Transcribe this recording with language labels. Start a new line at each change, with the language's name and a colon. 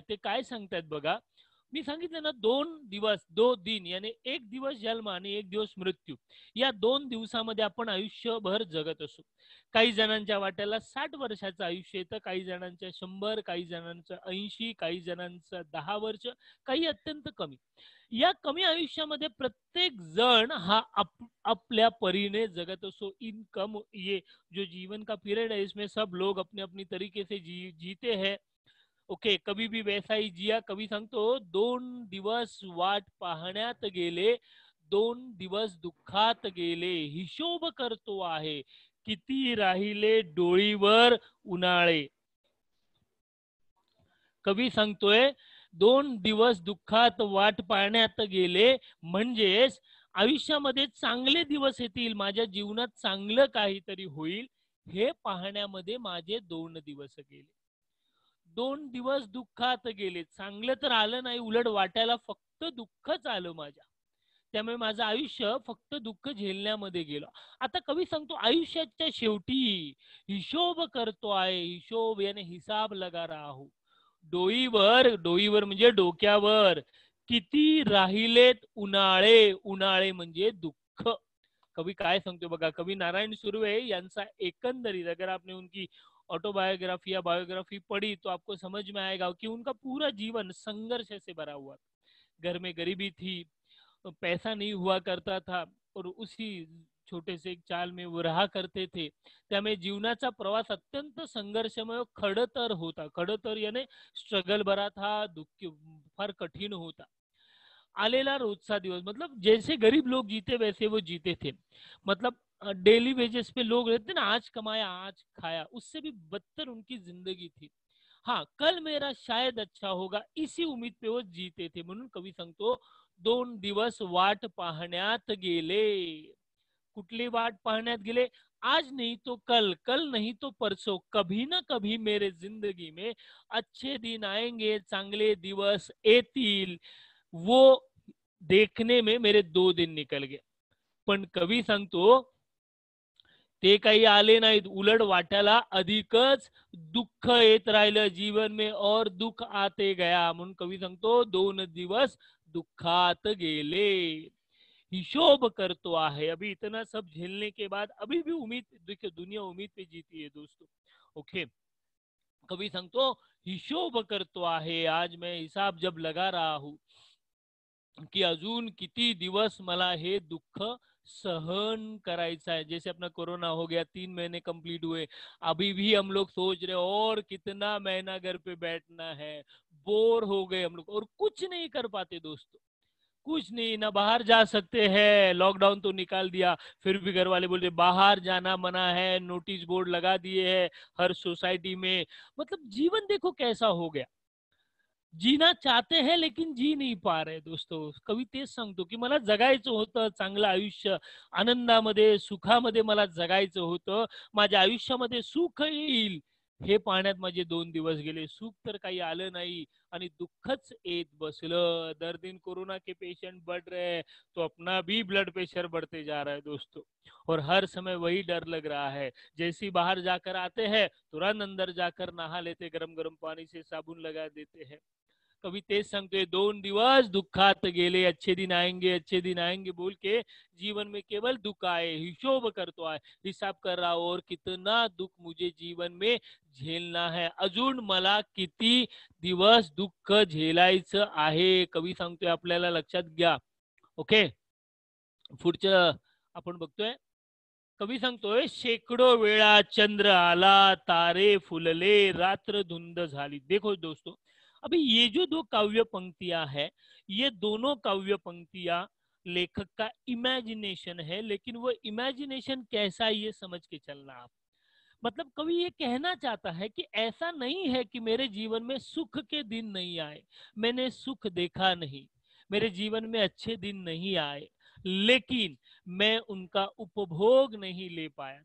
Marathi: ते काय सांगतायत बघा, मी सांगितलं ना, दोन दिवस
Hindi: दो दिन
Marathi: याने एक दिवस जन्म आणि एक दिवस मृत्यू, या दोन दिवसामध्ये आपण आयुष्यभर जगत असू. काही जणांच्या वाट्याला 60 वर्षाचं आयुष्य येतं, काही जणांच्या 100, काही जणांचं 80, काही जणांचं 10 वर्ष, काही अत्यंत कमी. या कमी आयुष्यामध्ये प्रत्येक जण हा आपल्या परीने जगत असो.
Hindi: इन कम ये जो जीवन का पीरियड है इसमें सब लोग अपने अपने तरीके से जीते है. ओके, कभी भी वैसा ही जिया.
Marathi: कभी सांगतो, दोन दिवस वाट पाहण्यात गेले, दोन दिवस दुःखात गेले, हिशोब करतो आहे किती राहिले डोळीवर उन्हाळे. कवी सांगतोय, दोन दिवस दुःखात वाट पाहण्यात गेले म्हणजेच आयुष्यामध्ये चांगले दिवस येतील, माझ्या जीवनात चांगलं काहीतरी होईल हे पाहण्यामध्ये माझे दोन दिवस गेले. दोन दिवस दुःखात गेले, चांगलं तर आलं नाही, उलट वाट्याला फक्त दुःखच आलं माझ्या, त्यामुळे माझं आयुष्य फक्त दुःख झेलण्यामध्ये गेलं. आता कवी सांगतो, आयुष्याच्या शेवटी हिशोब करतो आहे, हिशोब याने
Hindi: हिसाब लगा राहो,
Marathi: डोईवर, डोईवर म्हणजे डोक्यावर, किती राहिलेत उन्हाळे, उन्हाळे म्हणजे दुःख. कवी काय सांगतो बघा, कवी नारायण सुर्वे यांचा एकंदरीत
Hindi: अगर आपने उनकी ऑटोबायोग्राफी या बायोग्राफी पढ़ी तो आपको समझ में आएगा कि उनका पूरा जीवन संघर्ष से भरा हुआ था. घर में गरीबी थी, पैसा नहीं हुआ करता था और उसी छोटे से एक चाल में वो रहा करते थे.
Marathi: त्यामुळे जीवनाचा प्रवास अत्यंत संघर्षमय खडतर होता. खडतर याने
Hindi: स्ट्रगल भरा था,
Marathi: दुख फार कठिन होता. आलेला रोजचा दिवस,
Hindi: मतलब जैसे गरीब लोग जीते वैसे वो जीते थे. मतलब डेली वेजेस पे लोग रहते ना, आज कमाया आज खाया, उससे भी बदतर उनकी जिंदगी थी. हाँ, कल मेरा शायद अच्छा होगा इसी उम्मीद पे वो जीते थे.
Marathi: म्हणून कवी सांगतो, दोन दिवस वाट पाहण्यात गेले. कुठली वाट पाहण्यात गेले?
Hindi: आज नहीं तो कल, कल नहीं तो परसों, कभी ना कभी मेरे जिंदगी में अच्छे दिन आएंगे,
Marathi: चांगले दिवस येतील,
Hindi: वो देखने में मेरे दो दिन निकल गए.
Marathi: पण कवी सांगतो, ते काही आले नाहीत, उलट वाट्याला अधिकच दुःख येत राहिलं,
Hindi: जीवन में और दुःख आते गया.
Marathi: म्हणून कवी सांगतो, दोन दिवस दुःखात गेले, हिशोब करतो आहे.
Hindi: अभी इतना सब झेलने के बाद अभी भी उम्मीद, देखिए दुनिया उम्मीद पे जीती है दोस्तों.
Marathi: ओके, कवी सांगतो, हिशोब करतो आहे,
Hindi: आज मैं हिसाब जब लगा रहा हूं कि
Marathi: अजून किती दिवस मला हे दुःख सहन करायचा है.
Hindi: जैसे अपना कोरोना हो गया, 3 महीने कंप्लीट हुए, अभी भी हम लोग सोच रहे और कितना महीना घर पे बैठना है, बोर हो गए हम लोग और कुछ नहीं कर पाते दोस्तों, कुछ नहीं, ना बाहर जा सकते हैं, लॉकडाउन तो निकाल दिया फिर भी घर वाले बोल रहे बाहर जाना मना है, नोटिस बोर्ड लगा दिए है हर सोसाइटी में. मतलब जीवन देखो कैसा हो गया, जीना चाहते हैं लेकिन जी नहीं पा रहे दोस्तों.
Marathi: कवी तेच सांगतो की मला जगायचं होतं चांगलं आयुष्य, आनंदामध्ये सुखामध्ये मला जगायचं होतं, माझ्या आयुष्यामध्ये सुख येईल हे पाहण्यात माझे दोन दिवस गेले, सुख तर काही आलं नाही आणि दुःखच येत बसलं.
Hindi: दर दिन कोरोना के पेशंट बढ रहे, तो अपना भी ब्लड प्रेशर बढते जा रहा है दोस्तों, और हर समय वही डर लग रहा है. जैसी बाहर जाकर आते हैं तुरंत अंदर जाकर नहा लेते, गरम गरम पानी से साबुन लगा देते हैं.
Marathi: कवी तेज सांगतोय, दोन दिवस दुःखात गेले,
Hindi: अच्छे दिन आएंगे बोल के जीवन में केवल दुख आए,
Marathi: हिशोब करतो आहे,
Hindi: हिसाब कर रहा हूं और कितना दुख मुझे जीवन में झेलना है,
Marathi: अजून मला किती दिवस दुःख झेलायचं आहे. कवी सांगतोय आपल्याला, लक्षात घ्या. ओके, पुढचं आपण बघतोय. कवी सांगतोय, शेकडो वेळा चंद्र आला, तारे फुलले, रात्र धुंद झाली.
Hindi: देखो दोस्तों, अभी ये जो दो काव्य पंक्तियां है, ये दोनों काव्य पंक्तियां लेखक का इमेजिनेशन है, लेकिन वो इमेजिनेशन कैसा है ये समझ के चलना आप. मतलब कवि ये कहना चाहता है कि ऐसा नहीं है कि मेरे जीवन में सुख के दिन नहीं आए, मैंने सुख देखा नहीं, मेरे जीवन में अच्छे दिन नहीं आए, लेकिन मैं उनका उपभोग नहीं ले पाया.